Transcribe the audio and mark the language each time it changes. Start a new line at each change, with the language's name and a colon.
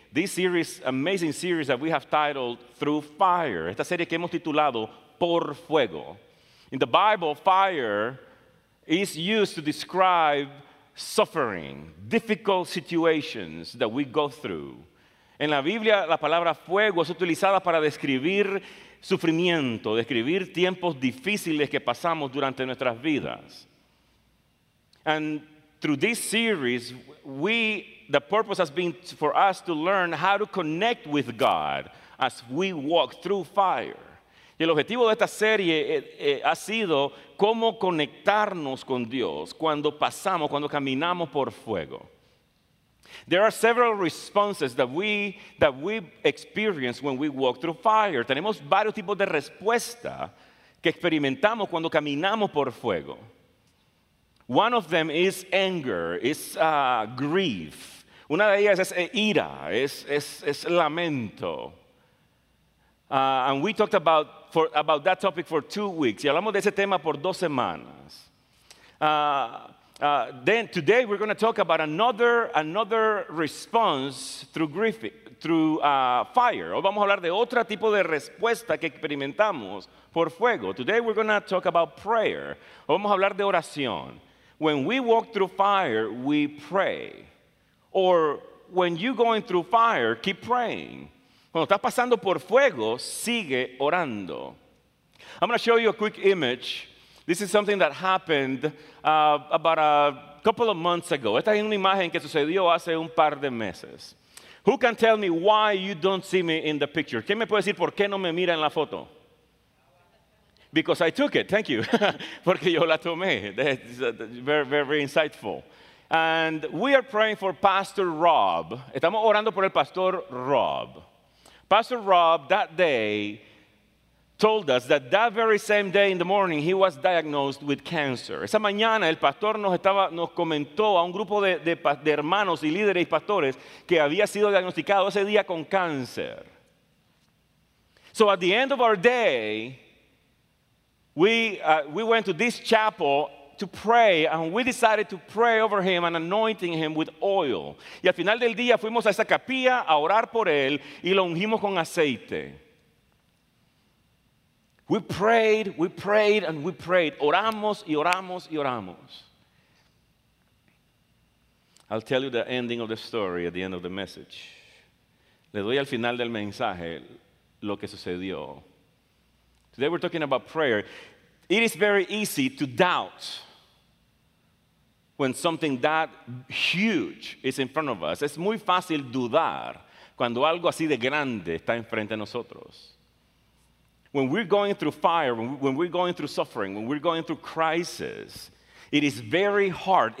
English: This series, amazing series that we have titled Through Fire.
Spanish: Esta serie que hemos titulado Por Fuego.
English: In the Bible, fire is used to describe suffering, difficult situations that we go through.
Spanish: En la Biblia, la palabra fuego es utilizada para describir sufrimiento, describir tiempos difíciles que pasamos durante nuestras vidas.
English: And through this series, the purpose has been for us to learn how to connect with God as we walk through fire.
Spanish: Y el objetivo de esta serie ha sido cómo conectarnos con Dios cuando pasamos, cuando caminamos por fuego.
English: There are several responses that we experience when we walk through fire.
Spanish: Tenemos varios tipos de respuesta que experimentamos cuando caminamos por fuego.
English: One of them is anger, is grief.
Spanish: Una de ellas es ira, es lamento.
English: And we talked about that topic for 2 weeks.
Spanish: Y hablamos de ese tema por 2 semanas.
English: Then today we're going to talk about another response through fire.
Spanish: Hoy vamos a hablar de otro tipo de respuesta que experimentamos por fuego.
English: Today we're going to talk about prayer.
Spanish: Hoy vamos a hablar de oración.
English: When we walk through fire, we pray. Or when you're going through fire, keep praying.
Spanish: Cuando estás pasando por fuego, sigue orando.
English: I'm going to show you a quick image. This is something that happened about a couple of months ago.
Spanish: Esta es una imagen que sucedió hace un par de meses.
English: Who can tell me why you don't see me in the picture?
Spanish: ¿Quién me puede decir por qué no me mira en la foto?
English: Because I took it. Thank you.
Spanish: Porque yo la tomé.
English: That's very, very insightful. And we are praying for Pastor Rob.
Spanish: Estamos orando por el Pastor Rob.
English: Pastor Rob, that day, told us that that very same day in the morning, he was diagnosed with cancer.
Spanish: Esa mañana, el pastor nos comentó a un grupo de hermanos y líderes y pastores que había sido diagnosticado ese día con cáncer.
English: So at the end of our day, we went to this chapel to pray, and we decided to pray over him and anointing him with oil.
Spanish: Y al final del día fuimos a esa capilla a orar por él y lo ungimos con aceite.
English: We prayed.
Spanish: Oramos y oramos y oramos.
English: I'll tell you the ending of the story at the end of the message.
Spanish: Le doy al final del mensaje lo que sucedió.
English: Today we're talking about prayer. It is very easy to doubt when something that huge is in front of us.
Spanish: Es muy fácil dudar cuando algo así de grande está enfrente de nosotros.
English: When we're going through fire, when we're going through suffering, when we're going through crisis, it is very hard.